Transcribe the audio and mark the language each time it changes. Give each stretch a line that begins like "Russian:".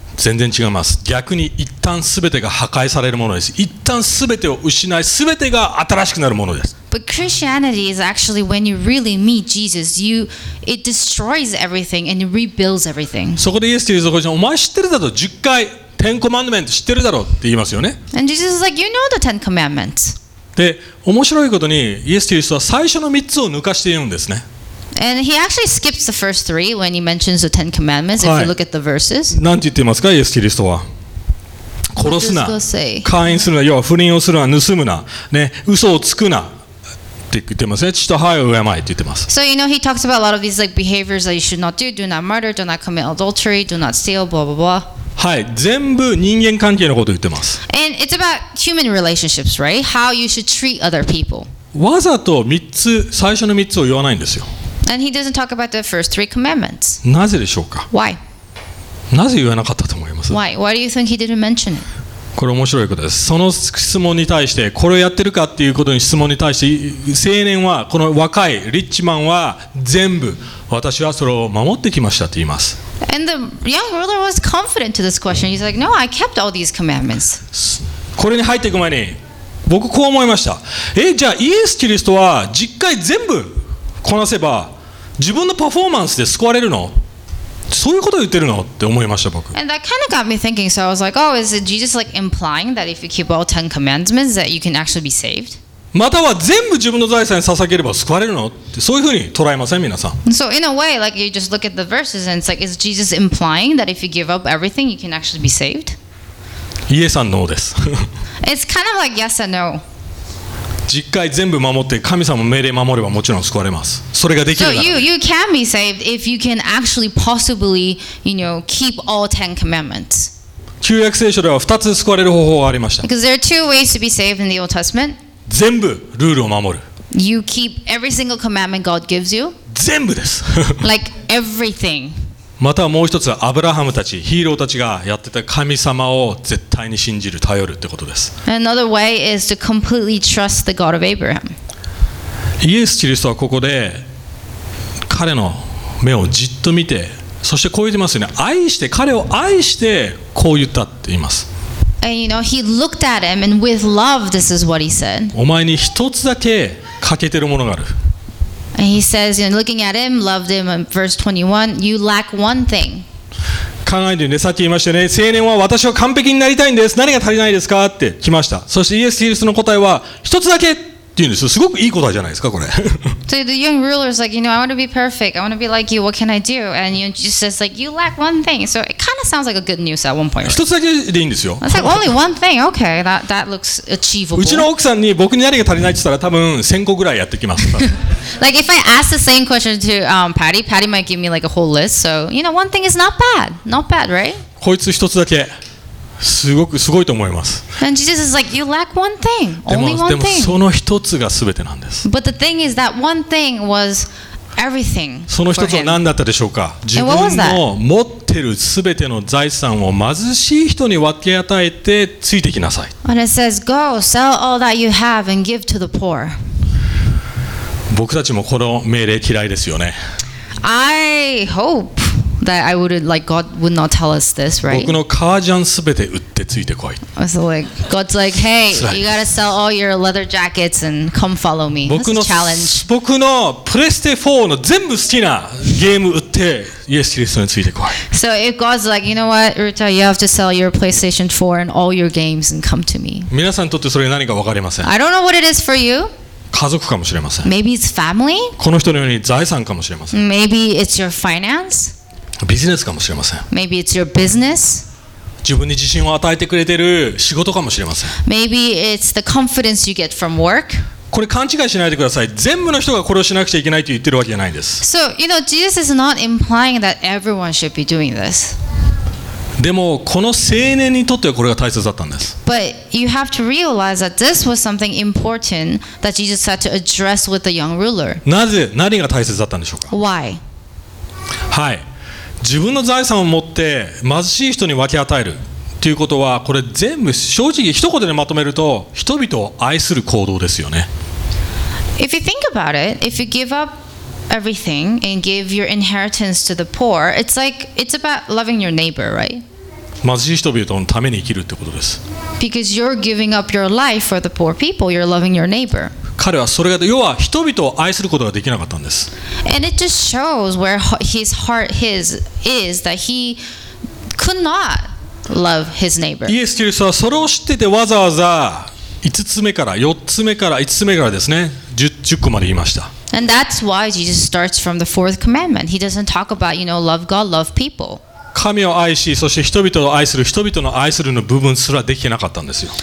Japanese: 全然違います。逆に一旦すべてが破壊されるものです。一旦すべてを失い、すべてが新しくなるものです。
English: But Christianity is actually when you really meet Jesus, it destroys everything and it rebuilds everything.
Japanese: そこでイエス・キリストは、お前知ってるだろ、10回、10 commandments 知ってるだろって言いますよね。
English: And Jesus is like, you know the 10 commandments.
Japanese: で、面白いことにイエス・キリストは最初の3つを抜かしているんですね。
English: And he actually skips the first three when he mentions the Ten Commandments, if you look at the verses.
Japanese: 何て言ってますか、イエス・キリストは。殺すな、姦淫するな、要は不倫をするな、盗むな、ね、嘘をつくな。って言ってますね。父と母を敬えって言ってます。
English: So you know he talks about a lot of these like behaviors that you should not do. Do not murder. Do not commit adultery. Do not steal. Blah blah blah.
Japanese: はい、全部人間関係のことを言ってます。
English: And it's about human relationships, right? How you should treat other people.
Japanese: わざと3つ、最初の3つを言わないんですよ。
English: And he doesn't talk about the first three commandments.
Japanese: なぜでしょうか。
English: Why?
Japanese: なぜ言わなかったと思います。
English: Why? Why do you think he didn't mention it?
Japanese: これ面白いことです。その質問に対して、これをやってるかっていうことに質問に対して、青年は、この若いリッチマンは全部、私はそれを守ってきましたと言います。
English: And the young ruler was confident to this question. He's like, no, I kept all these commandments.
Japanese: これに入っていく前に、僕こう思いました。え、じゃあイエス・キリストは実会全部こなせば、自分のパフォーマンスで救われるの? そういうことを言ってるのって思いました僕。
English: And that kind of got me thinking. So I was like, oh, is it Jesus like implying that if you keep all ten commandments that you can actually be saved?
Japanese: または全部自分の財産に捧げれば救われるのってそういうふうに捉えません皆さん。
English: So in a way, like you just look at the verses and it's like, is Jesus implying that if you give up everything, you can actually be saved?
Japanese: イエスノーです。
English: It's kind of like yes and no.
Japanese: 実会全部守って神様の命令守ればもちろん救われます。それができるから。
English: So you can be saved if you can actually possibly, you know, keep all ten commandments.
Japanese: 旧約聖書では2つ救われる方法がありました。
English: Because there are two ways to be saved in the Old Testament.
Japanese: 全部ルールを守る。
English: You keep every single commandment God gives you.
Japanese: 全部です。
English: Like everything.
Japanese: またもう一つはアブラハムたちヒーローたちがやってた神様を絶対に信じる頼るってことです。
English: Another way is to completely trust the God of Abraham.
Japanese: イエス・キリストはここで彼の目をじっと見て、そしてこう言ってますよね。愛して彼を愛してこう言ったって言います。
English: And you know he looked at him and with love this is what he said.
Japanese: お前に一つだけ欠けてるものがある。
English: And he says, you know, looking at him, loved him. Verse 21, you lack one thing.
Japanese: 考えてね、さっき言いましたね。青年は私は完璧になりたいんです。何が足りないですかって来ました。そしてイエス・キリストの答えは一つだけって言うんです。すごくいい答えじゃないですかこれ。
English: So the young ruler is like, you know, I want to be perfect. I want to be like you. What can I do? And you just says like, you lack one thing. So it kind of sounds like a good news at one point.
Japanese: 一つだけでいいんですよ。
English: It's like only one thing. Okay, that looks achievable.
Japanese: うちの奥さんに僕に何が足りないって言ったら多分1000個ぐらいやってきます。
English: Like if I ask the same question to Patty, Patty might give me like a whole list. So you know, one thing is not bad. Not bad, right?
Japanese: こいつ一つだけ、すごくすごいと思います。
English: And Jesus is like, you lack one thing. Only one thing.
Japanese: でもその一つが全てなんです。
English: But the thing is that one thing was everything.
Japanese: その一つは何だったでしょうか。自分の持ってる全ての財産を貧しい人に分け与えてついてきなさい。
English: And it says, go sell all that you have and give to the poor.
Japanese: 僕たちもこの命令嫌いですよね。
English: I hope that I would like God would not tell us this, right?
Japanese: 僕の革ジャンすべて売ってついてこい。
English: So like God's like, hey, you gotta sell all your leather jackets and come follow me. That's a challenge.
Japanese: 僕のプレステ4の全部好きなゲーム売ってイエス・キリストについてこい。
English: So if God's like, you know what, Ruta, you have to sell your PlayStation 4 and all your games and come to me.
Japanese: 皆さんにとってそれ何か分かりません。
English: I don't know what it is for you.
Japanese: 家族かもしれません。
English: Maybe it's family?
Japanese: この人のように財産かもしれません。
English: Maybe it's your finance?
Japanese: ビジネスかもしれません。
English: Maybe it's your business?
Japanese: 自分に自信を与えてくれてる仕事かもしれません。
English: Maybe it's the confidence you get from work?
Japanese: これ勘違いしないでください。全部の人がこれをしなくちゃいけないと言ってるわけじゃないんです。
English: So, you know, Jesus is not implying that everyone should be doing this.
Japanese: でもこの青年にとってはこれが大切だったんです。
English: But you have to realize that this was something important that Jesus had to address with the young ruler.
Japanese: なぜ何が大切だったんでしょうか。
English: Why?
Japanese: はい、自分の財産を持って貧しい人に分け与えるということはこれ全部正直一言でまとめると人々を愛する行動ですよね。
English: If you think about it, if you give upEverything and give your inheritance to the poor. It's like it's about loving your neighbor, right?
Japanese: 貧しい人々のために生きるってことです。
English: Because you're giving up your life for the poor people, you're loving your neighbor.
Japanese: 彼はそれが要は人々を愛することができなかったんです。
English: And it just shows where his heart his is that he could not love his neighbor.
Japanese: イエス・キリストはそれを知っててわざわざ5つ目から4つ目から5つ目からですね 10個まで言いました。
English: And that's why Jesus starts from the fourth commandment. He doesn't talk about, you know, love God, love people.
Japanese: 神を愛し、そして人々を愛する、人々の愛するの部分すらできてなかったんですよ。